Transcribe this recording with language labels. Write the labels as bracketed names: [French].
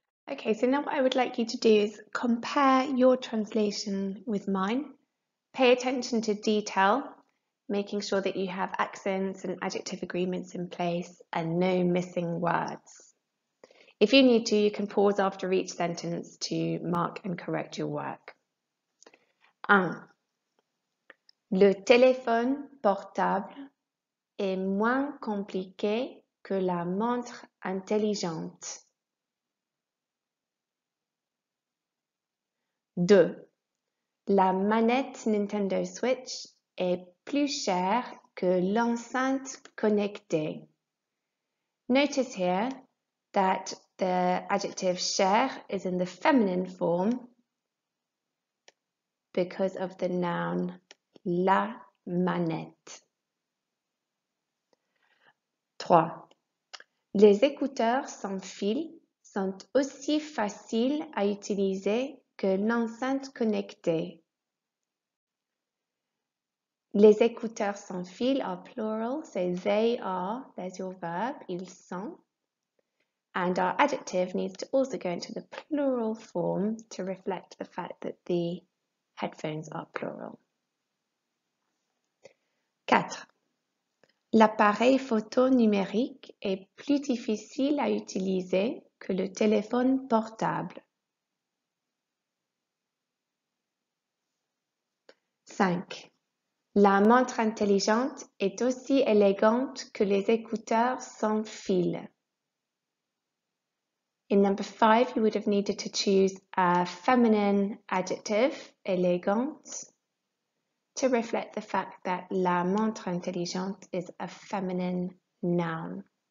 [English] Okay, so now what I would like you to do is compare your translation with mine. Pay attention to detail, making sure that you have accents and adjective agreements in place and no missing words. If you need to, you can pause after each sentence to mark and correct your work. 1. [French] Le téléphone portable est moins compliqué que la montre intelligente. 2. La manette Nintendo Switch est plus chère que l'enceinte connectée. [English] Notice here that the adjective chère is in the feminine form because of the noun [French] la manette. [English] 3. [French] Les écouteurs sans fil sont aussi faciles à utiliser que l'enceinte connectée. Les écouteurs sans fil [English] are plural, so they are, there's your verb, [French] ils sont. [English] And our adjective needs to also go into the plural form to reflect the fact that the headphones are plural. 4. [French] L'appareil photo numérique est plus difficile à utiliser que le téléphone portable. 5. La montre intelligente est aussi élégante que les écouteurs sans fil. [English] In number 5, you would have needed to choose a feminine adjective, élégante, to reflect the fact that [French] la montre intelligente [English] is a feminine noun.